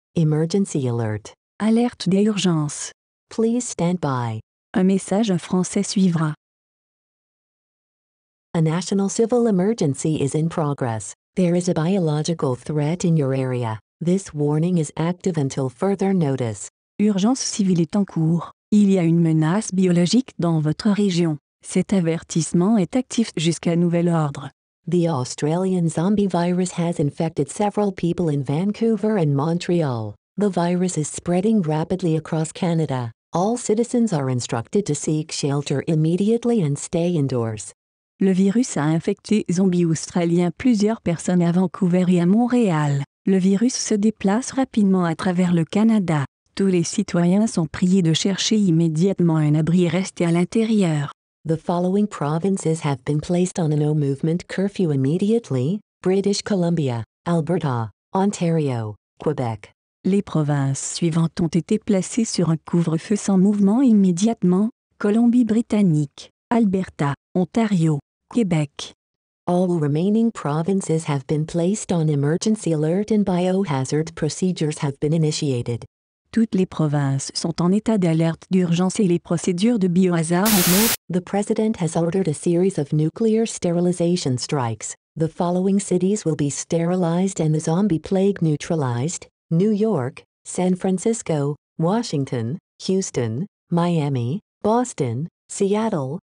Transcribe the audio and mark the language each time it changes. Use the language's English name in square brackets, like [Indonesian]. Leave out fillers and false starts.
[English] Emergency alert. [French] Alerte d'urgence. [English] Please stand by. [French] Un message en français suivra. [English] A national civil emergency is in progress. There is a biological threat in your area. This warning is active until further notice. [French] Urgence civile est en cours. Il y a une menace biologique dans votre région. Cet avertissement est actif jusqu'à nouvel ordre. [English] The Australian zombie virus has infected several people in Vancouver and Montreal. The virus is spreading rapidly across Canada. All citizens are instructed to seek shelter immediately and stay indoors. [French] Le virus a infecté zombies australiens plusieurs personnes à Vancouver et à Montréal. Le virus se déplace rapidement à travers le Canada. Tous les citoyens sont priés de chercher immédiatement un abri et rester à l'intérieur. [English] The following provinces have been placed on a no-movement curfew immediately: British Columbia, Alberta, Ontario, Quebec. [French] Les provinces suivantes ont été placées sur un couvre-feu sans mouvement immédiatement: Colombie-Britannique, Alberta, Ontario, Québec. [English] All remaining provinces have been placed on emergency alert and biohazard procedures have been initiated. [French] Toutes les provinces sont en état d'alerte d'urgence et les procédures de biohazard ont été lancées. [English] The president has ordered a series of nuclear sterilization strikes. The following cities will be sterilized and the zombie plague neutralized: New York, San Francisco, Washington, Houston, Miami, Boston, Seattle,